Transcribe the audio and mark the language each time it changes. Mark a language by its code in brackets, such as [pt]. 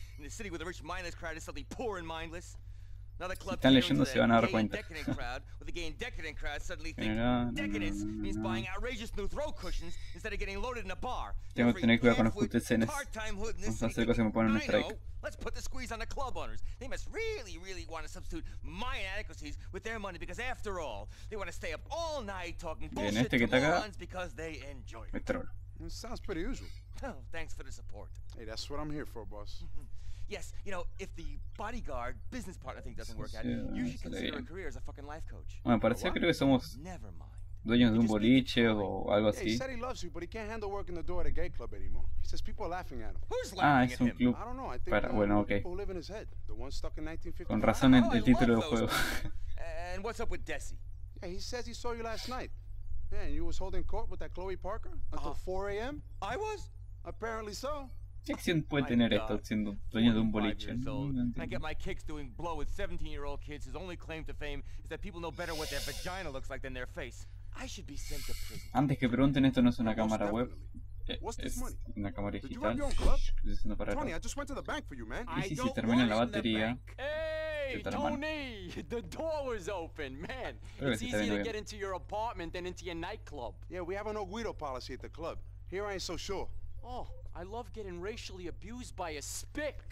[en] In the city with a rich mindless crowd is suddenly poor and mindless. Another club catering to the gay and decadent crowd. With the gay and decadent crowd suddenly think decadence means buying outrageous new throw cushions instead of getting loaded in a bar. [es] Tengo que tener cuidado con los putes cenes. Vamos a hacer cosas que me ponen en strike. [en] Let's put the squeeze on the club owners. They must really, really want to substitute my inadequacies with their money because after all, they want to stay up all night talking bullshit este to morons because they enjoy it. Me troll. It sounds pretty usual. Oh, thanks for the support. Hey, that's what I'm here for, boss. Yes, you know, if the bodyguard business partner thing doesn't work out, you should consider a career as a fucking life coach. [es] Bueno, parece que creo que somos dueños de un boliche o algo así. [en] He said he loves you, but he can't handle working the door at a gay club anymore. He says people are laughing at him. Who's laughing at him? Club. I don't know. I think [es] Para, bueno, okay. [en] People live in his head. The one stuck in 1950. [es] Con razón el título del juego. [en] And what's up with Desi? Yeah, he says he saw you last night. Yeah, and you was holding court with that Chloe Parker until 4 a.m. I was. Apparently so. [es] ¿Qué acción puede tener esto siendo dueño de un boliche? [en] I get my kicks doing blow with 17-year-old kids whose only claim to fame is that people know better what their vagina looks like than their face. I should be sent to prison. [es] Antes que pregunten, esto no es una cámara web. Es una cámara digital. [en] Tony, I just went to the bank for you, man. [es] ¿Y si se termina la batería? [en] Hey, The door was open, man. It's easier to get into your apartment than into your nightclub. Yeah, we have a no guido policy at the club. Here I ain't so sure. Oh, I love getting racially abused by a spick.